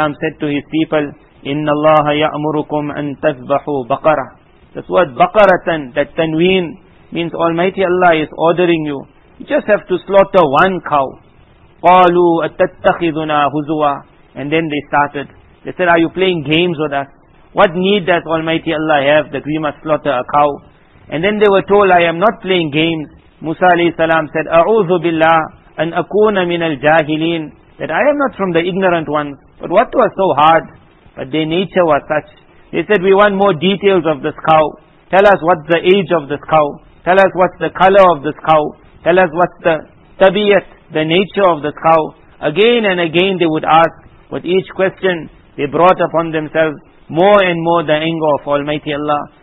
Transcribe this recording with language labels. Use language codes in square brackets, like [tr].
[en] said to his people, [ar] إِنَّ اللَّهَ يَأْمُرُكُمْ أَن تَذْبَحُوا بَقَرَةً. [en] This word بَقَرَةً, that tanween, means Almighty Allah is ordering you. You just have to slaughter one cow. [ar] قَالُوا أَتَتَّخِذُنَا هُزُوًا. [en] And then they started. They said, are you playing games with us? What need does Almighty Allah have that we must slaughter a cow? And then they were told, I am not playing games. Musa alayhi salam said, [ar] أَعُوذُ بِاللَّهِ أَنْ أَكُونَ مِنَ الْجَاهِلِينَ. [en] That I am not from the ignorant ones. But what was so hard? But their nature was such. They said, we want more details of this cow. Tell us what's the age of this cow. Tell us what's the color of this cow. Tell us what's the tabiyat, the nature of this cow. Again and again they would ask. With each question, they brought upon themselves more and more the anger of Almighty Allah.